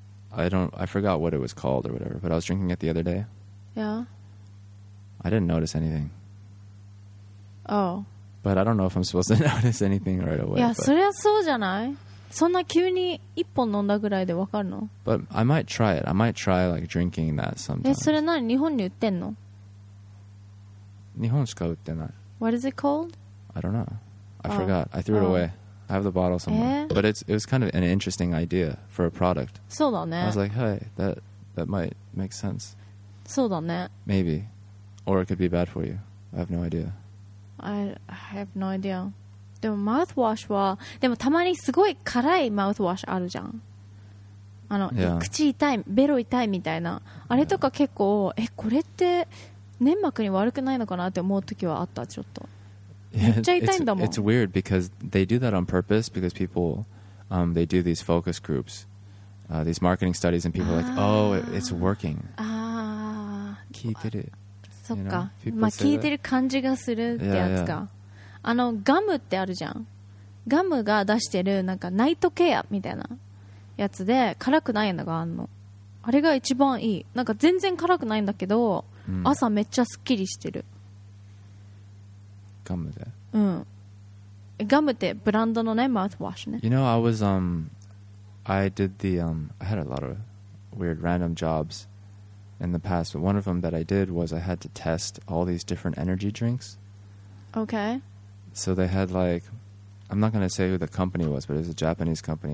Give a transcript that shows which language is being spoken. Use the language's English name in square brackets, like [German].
[English] I forgot what it was called or whatever, but I was drinking it the other day. Yeah. I didn't notice anything. Oh. But I don't know if I'm supposed to notice anything right away. [Japanese] Yeah, それはそうじゃない? そんな急に一本飲んだぐらいでわかるの? [English] But I might try it. I might try like drinking that sometimes. [Japanese] それ何?日本に売ってんの? 日本しか売ってない。 [English] What is it called? I don't know. I forgot. I threw it away. I have the bottle somewhere. But it was kind of an interesting idea for a product. [Japanese] そうだね。 [English] I was like, hey, that might make sense. [Japanese] そうだね。 [English] Maybe. Or it could be bad for you. I have no idea. I have no idea. [Japanese] でも mouthwash は、でもたまにすごい辛い mouthwash あるじゃん。あの、 [English] yeah. [Japanese] 口痛い、ベロ痛いみたいな。あれとか結構、yeah. これって粘膜に悪くないのかなって思う時はあった、ちょっと。 [English] It's weird because they do that on purpose because people, they do these focus groups, these marketing studies, and people are like, oh, it's working. Ah, [Japanese] 聞いてる。そっか。まあ聞いてる感じがするってやつか。あのガムってあるじゃん。ガムが出してるなんかナイトケアみたいなやつで辛くないのがあるの。あれが一番いい。なんか全然辛くないんだけど、朝めっちゃスッキリしてる。ガムで。うん。ガムってブランドのね、マウスウォッシュね。 [English] You know, I was I did the I had a lot of weird random jobs in the past, but one of them that I did was I had to test all these different energy drinks. Okay. So they had like, I'm not gonna say who the company was, but it was a Japanese company.